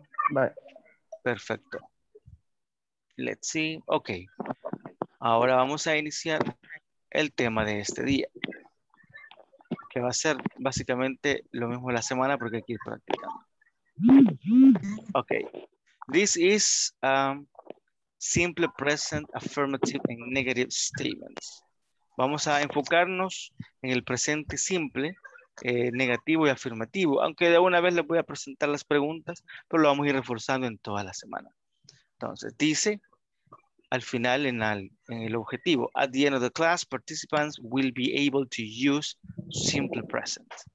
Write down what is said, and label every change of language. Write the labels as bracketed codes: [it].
[en] Bye. [es] Perfecto. [en] Let's see. Ok. [es] Ahora vamos a iniciar el tema de este día, que va a ser básicamente lo mismo la semana porque hay que ir practicando. Ok. [en] This is simple present affirmative and negative statements. [es] Vamos a enfocarnos en el presente simple, negativo y afirmativo, aunque de una vez les voy a presentar las preguntas, pero lo vamos a ir reforzando en toda la semana. Entonces, dice al final en el objetivo, [en] at the end of the class, participants will be able to use simple present.